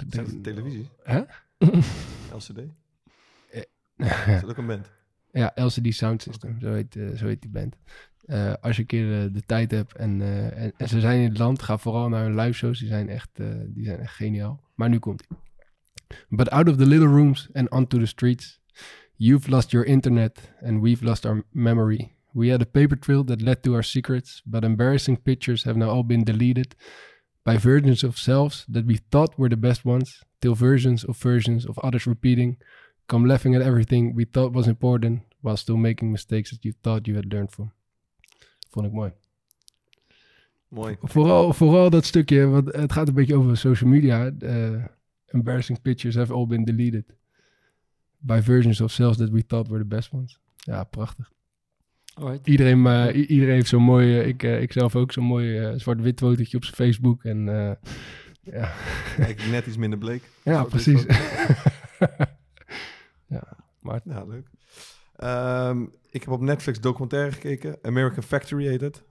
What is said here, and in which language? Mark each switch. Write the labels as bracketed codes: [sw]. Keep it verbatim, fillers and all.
[nl] is dat de televisie? Hè? L C D? Is dat ook een band? Ja, L C D Sound System. Zo heet, uh, zo heet die band. Uh, als je een keer uh, de tijd hebt en, uh, en, en ze zijn in het land, ga vooral naar hun live shows. Die zijn echt, uh, die zijn echt geniaal. Maar nu komt ie. [en] But out of the little rooms and onto the streets, you've lost your internet and we've lost our memory. We had a paper trail that led to our secrets, but embarrassing pictures have now all been deleted by versions of selves that we thought were the best ones, till versions of versions of others repeating, come laughing at everything we thought was important, while still making mistakes that you thought you had learned from. [nl] Vond ik mooi. Mooi. Vooral, vooral dat stukje, want het gaat een beetje over social media. [en] Uh, Embarrassing pictures have all been deleted by versions of selves that we thought were the best ones. [nl] Ja, prachtig. Alright. Iedereen, uh, i- iedereen heeft zo'n mooi, uh, ik, uh, ik zelf ook, zo'n mooi uh, zwart-wit fotootje op zijn Facebook. En uh, ja. Kijk, net iets minder bleek. Ja, zo precies. Ja, Maarten. Ja, leuk. Um, ik heb op Netflix documentaire gekeken. American Factory heet het.